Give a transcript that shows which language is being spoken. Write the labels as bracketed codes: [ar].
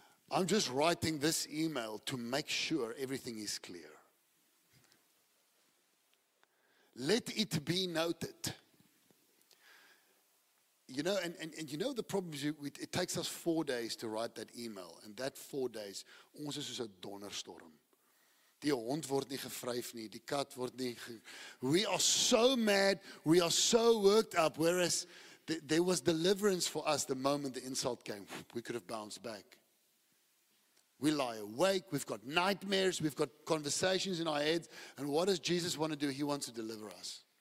[en] I'm just writing this email to make sure everything is clear. Let it be noted. You know, and you know the problem is it takes us 4 days to write that email, and that 4 days, [af] ons is soos 'n donderstorm. Die hond word nie gevryf nie, die kat word nie ge... [en] We are so mad, we are so worked up, whereas there was deliverance for us the moment the insult came. We could have bounced back. We lie awake, we've got nightmares, we've got conversations in our heads, and what does Jesus want to do? He wants to deliver us.